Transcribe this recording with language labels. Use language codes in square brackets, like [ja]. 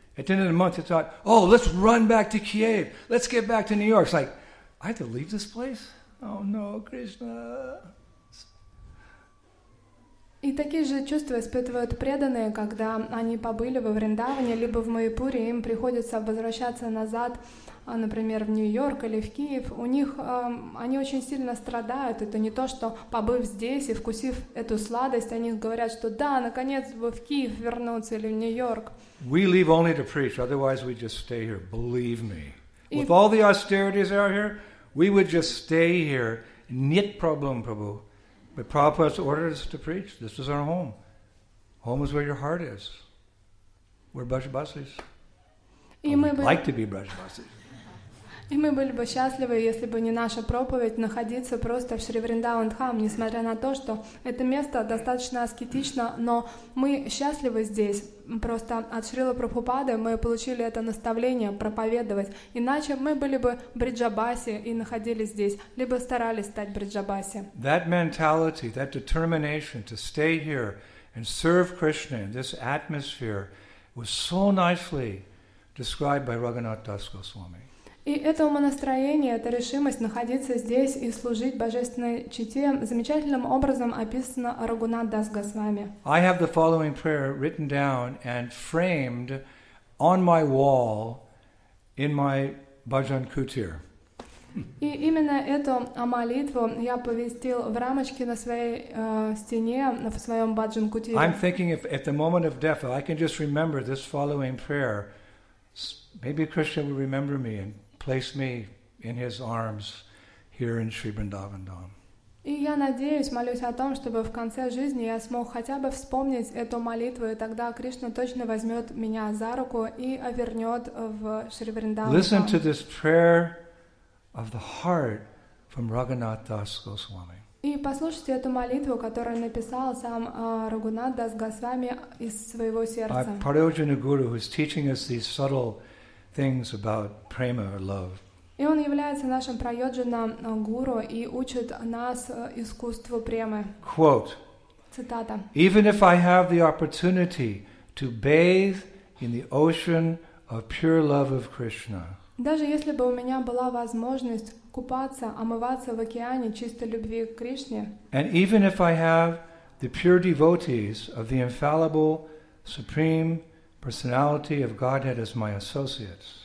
[en] At the end of the month, they thought, oh, let's run back to Kiev. Let's get back to New York. It's like, I have to leave this place? Oh no, Krishna. [uk] І такі ж чувства спитують преданні, коли вони побили во Вріндавані, або в Майпурі, їм приходиться повертатися назад, [ru] например, в Нью-Йорк или в Киев, у них они очень сильно страдают. Это не то, что побыв здесь и вкусив эту сладость, они говорят, что да, наконец бы в Киев вернуться или в Нью-Йорк. [en] We leave only to preach, otherwise we just stay here, believe me. With all the austerities out here, we would just stay here, [ru] нет проблем, Прабху. [en] But Prabhupada ordered us to preach. This is our home. Home is where your heart is. We're Brajabasis. Like to be Brajabasis. [uk] І ми були б щасливі, якщо б не наша проповідь, знаходитися просто в Шрі Вріндаван Дхам, [ru] несмотря [uk] на те, що це місце достатньо аскетичне, але ми щасливі тут. Просто від Шріла Прабхупади ми отримали це наставлення проповідувати. Іначе ми були б Бриджабасі і знаходилися тут, або старалися стати Бриджабасі. [en] That mentality, that determination to stay here and serve Krishna in this atmosphere was so nicely described by Raghunath Das Goswami. [ru] И это умонастроение, эта решимость находиться здесь и служить Божественной Чите замечательным образом описано Рагунат Дас Госвами. [en] I have the following prayer written down and framed on my wall in my bhajan kutir. [ru] И именно эту молитву я повесил в рамочке на своей стене, в своем bhajan kutir. [en] I'm thinking if at the moment of death I can just remember this following prayer, maybe Krishna will remember me and place me in his arms here in Sri Vrindavan Dham. [ru] И я надеюсь, молюсь о том, чтобы в конце жизни я смог хотя бы вспомнить эту молитву, и тогда Кришна точно возьмёт меня за руку и вернёт в Шри Вриндаван. [en] Listen to this prayer of the heart from Raghunath Das Goswami. [ru] И послушайте эту молитву, которую написал сам Рагунат Дас Госвами из своего сердца. [en] Parayojana Guru who is teaching us these subtle things about prema or love. [ru] И он является нашим прайоджана гуру и учит нас искусству премы. [en] Quote. [ru] Цитата. [en] Even if I have the opportunity to bathe in the ocean of pure love of Krishna. [ru] Даже если бы у меня была возможность купаться, омываться в океане чистой любви к Кришне. [en] And even if I have the pure devotees of the infallible supreme personality of Godhead as my associates.